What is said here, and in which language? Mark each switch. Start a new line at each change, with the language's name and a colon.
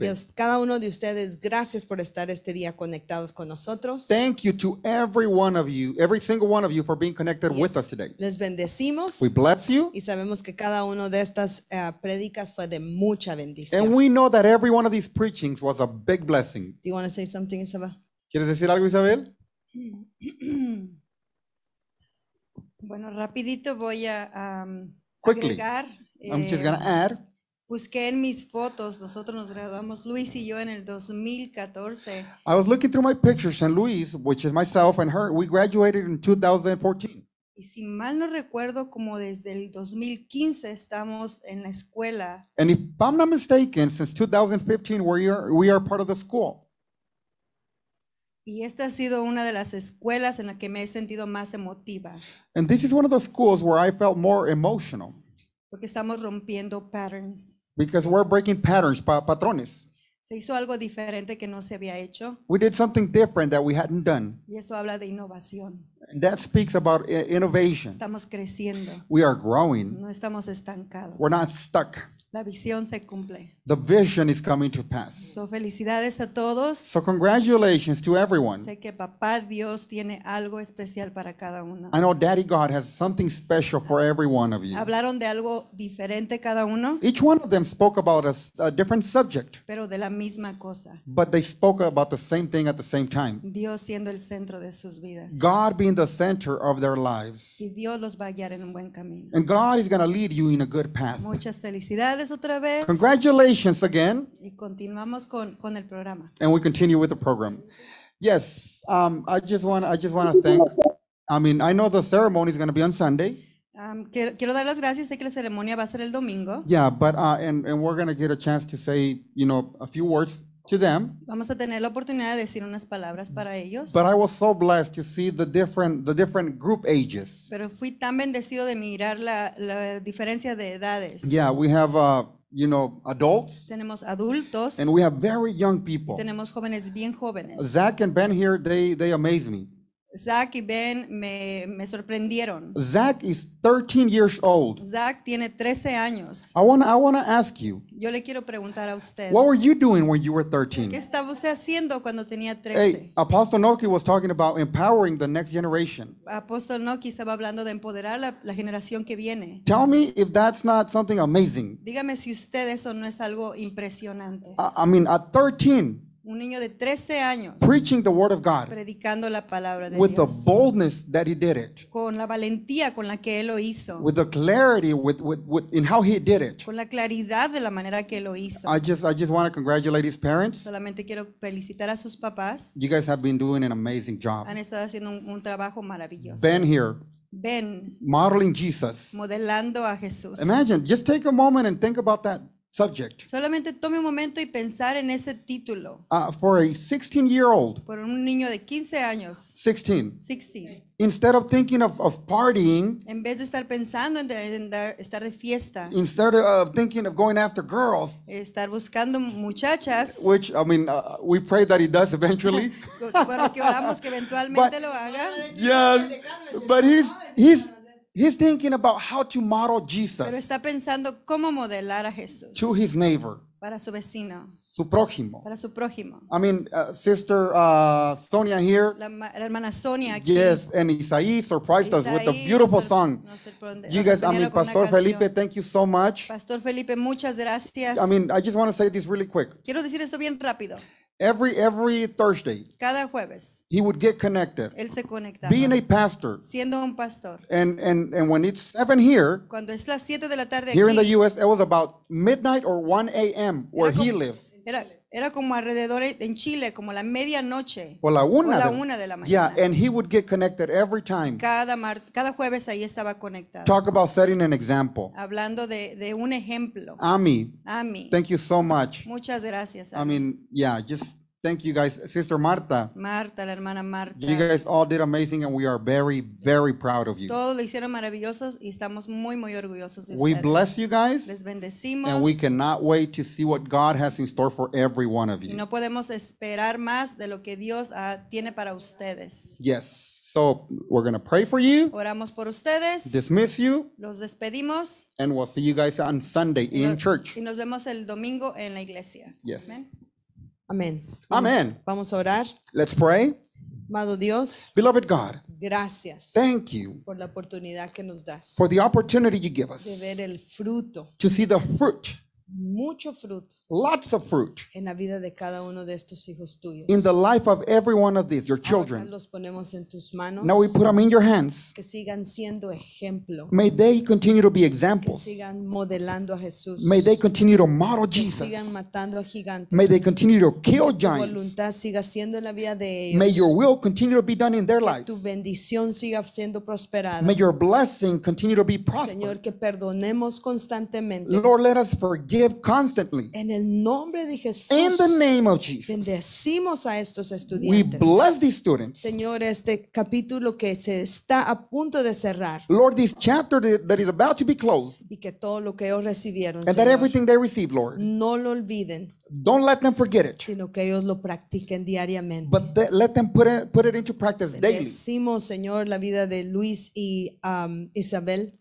Spanish: Dios, cada uno de ustedes, gracias por estar este día conectados con nosotros.
English: Thank you to every one of you, every single one of you for being connected yes. with us today.
Spanish: Les bendecimos.
English: We bless you.
Spanish: Y sabemos que cada uno de estas predicas fue de mucha bendición.
English: And we know that every one of these preachings was a big blessing. Do you want to say something, Isabel?
Spanish: ¿Quieres decir algo, Isabel? Bueno, rapidito voy a
English: quickly,
Spanish: agregar.
English: I'm just going to add.
Spanish: Busqué en mis fotos, nosotros nos graduamos Luis y yo en el 2014.
English: I was looking through my pictures and Luis, which is myself and her, we graduated in 2014.
Spanish: Y si mal no recuerdo, como desde el 2015 estamos en la escuela.
English: And if I'm not mistaken, since 2015 we are part of the school.
Spanish: Y esta ha sido una de las escuelas en la que me he sentido más emotiva. And this is one of the schools where I felt more emotional. Porque estamos rompiendo patterns.
English: Because we're breaking patterns, patrones.
Spanish: Se hizo algo diferente que no se había hecho.
English: We did something different that we hadn't done.
Spanish: Y eso habla de innovación.
English: And that speaks about innovation.
Spanish: Estamos creciendo.
English: We are growing.
Spanish: No estamos estancados.
English: We're not stuck.
Spanish: La visión se cumple.
English: The vision is coming to pass.
Spanish: So felicidades a todos.
English: So congratulations to everyone.
Spanish: Sé que papá Dios tiene algo especial para cada uno.
English: I know Daddy God has something special for every one of you.
Spanish: Hablaron de algo diferente cada uno.
English: Each one of them spoke about a different subject.
Spanish: Pero de la misma cosa.
English: But they spoke about the same thing at the same time.
Spanish: Dios siendo el centro de sus vidas.
English: God being the center of their lives.
Spanish: Y Dios los va a guiar en un buen camino.
English: And God is going to lead you in a good path.
Spanish: Muchas felicidades otra vez.
English: Congratulations again.
Spanish: Y continuamos con el programa.
English: And we continue with the program. Yes, I just want to thank. I mean, I know the ceremony is going to be on Sunday.
Spanish: Quiero dar las gracias. Sé que la ceremonia va a ser el domingo.
English: Yeah, but and we're going to get a chance to say, you know, a few words to them.
Spanish: Vamos a tener la oportunidad de decir unas palabras para ellos.
English: But I was so blessed to see the different group ages.
Spanish: Pero fui tan bendecido de mirar la diferencia de edades.
English: Yeah, we have you know, adults.
Spanish: Tenemos adultos.
English: And we have very young people.
Spanish: Y tenemos jóvenes bien jóvenes.
English: Zach and Ben here, they amaze me.
Spanish: Zach y Ben me sorprendieron.
English: Zach is 13 years old.
Spanish: Zach tiene 13 años.
English: I want to ask you.
Spanish: Yo le quiero preguntar a usted.
English: What were you doing when you were 13?
Spanish: ¿Qué estaba usted haciendo cuando tenía 13?
English: Hey, Apostle Noki was talking about empowering the next generation.
Spanish: Apostle Noki estaba hablando de empoderar la generación que viene.
English: Tell me if that's not something amazing.
Spanish: Dígame si usted eso no es algo impresionante.
English: I mean, at 13.
Spanish: Un niño de 13 años.
English: Preaching the word of God.
Spanish: Predicando la palabra de Dios.
English: With the boldness that he did it.
Spanish: Con la valentía con la que él lo hizo.
English: With the clarity with in how he did it.
Spanish: Con la claridad de la manera que lo hizo.
English: I just want to congratulate his parents.
Spanish: Solamente quiero felicitar a sus papás.
English: You guys have been doing an amazing job.
Spanish: Han estado haciendo un trabajo maravilloso.
English: Ben here.
Spanish: Ben.
English: Modeling Jesus.
Spanish: Modelando a Jesús.
English: Imagine, just take a moment and think about that. Subject.
Spanish: Solamente tome un momento y pensar en ese título.
English: For a 16-year-old.
Spanish: Por un niño de 15 años.
English: 16. Instead of thinking of partying.
Spanish: En vez de estar pensando en estar de fiesta.
English: Instead of thinking of going after girls.
Spanish: Estar buscando muchachas.
English: Which, I mean, we pray that he does eventually.
Spanish: Bueno, que oramos que eventualmente
English: but,
Spanish: lo haga.
English: Yes, but he's thinking about how to model Jesus.
Spanish: Pero está pensando cómo modelar a Jesús. To his neighbor. Para su vecino. Su prójimo. Para su prójimo.
English: I mean, sister Sonia here.
Spanish: La hermana Sonia aquí.
English: Yes, and Isaí surprised us with a beautiful song. You guys, I mean, Pastor Felipe, thank you so much.
Spanish: Pastor Felipe, muchas gracias.
English: I mean, I just want to say this really quick.
Spanish: Quiero decir esto bien rápido.
English: Every Thursday,
Spanish: cada jueves,
English: he would get connected.
Spanish: Él se conectaba.
English: Being a pastor,
Spanish: siendo un pastor.
English: And when it's 7 here,
Spanish: cuando es las 7 de la tarde
English: here
Spanish: aquí,
English: in the U.S., it was about midnight or 1 a.m. where he lives.
Spanish: Era como alrededor en Chile, como la medianoche. O la una. O la una de la mañana.
English: Yeah, and he would get connected every time.
Spanish: Cada jueves ahí estaba conectado.
English: Talk about setting an example.
Spanish: Hablando de un ejemplo.
English: Ami. Thank you so much.
Spanish: Muchas gracias.
English: Ami. I mean, yeah, just thank you guys. Sister Marta.
Spanish: Marta, la hermana Marta.
English: You guys all did amazing and we are very, very proud of you.
Spanish: Todos lo hicieron maravillosos y estamos muy, muy orgullosos de
English: we
Spanish: ustedes.
English: We bless you guys.
Spanish: Les bendecimos.
English: And we cannot wait to see what God has in store for every one of you.
Spanish: Y no podemos esperar más de lo que Dios tiene para ustedes.
English: Yes. So we're going to pray for you.
Spanish: Oramos por ustedes.
English: Dismiss you.
Spanish: Los despedimos.
English: And we'll see you guys on Sunday in church.
Spanish: Y nos vemos el domingo en la iglesia.
English: Yes.
Spanish: Amen. Amén. Amén. Vamos a orar.
English: Let's pray.
Spanish: Amado Dios.
English: Beloved God.
Spanish: Gracias.
English: Thank you.
Spanish: Por la oportunidad que nos das.
English: For the opportunity you give us.
Spanish: De ver el fruto.
English: To see the fruit.
Spanish: Mucho fruto.
English: Lots of fruit.
Spanish: En la vida de cada uno de estos hijos tuyos.
English: In the life of every one of these, your children.
Spanish: Ahora los ponemos en tus manos.
English: Now we put them in your hands.
Spanish: Que sigan siendo ejemplo.
English: May they continue to be examples.
Spanish: Que sigan modelando a Jesús.
English: May they continue to model Jesus.
Spanish: Que sigan matando a gigantes.
English: May they continue to kill giants.
Spanish: Que tu voluntad siga siendo en la vida de ellos.
English: May your will continue to be done in their lives.
Spanish: Que tu bendición siga siendo prosperada.
English: May your blessing continue to be prosperous.
Spanish: Señor, que perdonemos constantemente.
English: Lord, let us forgive constantly.
Spanish: En el nombre de Jesús,
English: in the name of Jesus,
Spanish: bendecimos a estos estudiantes.
English: We bless these students.
Spanish: Señor, este capítulo que se está a punto de cerrar.
English: Lord, this chapter that is about to be closed.
Spanish: Y que todo lo que ellos recibieron,
English: and
Spanish: Señor,
English: that everything they receive, Lord,
Spanish: no lo olviden.
English: Don't let them forget it.
Spanish: Sino que ellos lo practiquen diariamente.
English: But let them put it into practice daily.
Spanish: Bendecimos, Señor, la vida de Luis y Isabel.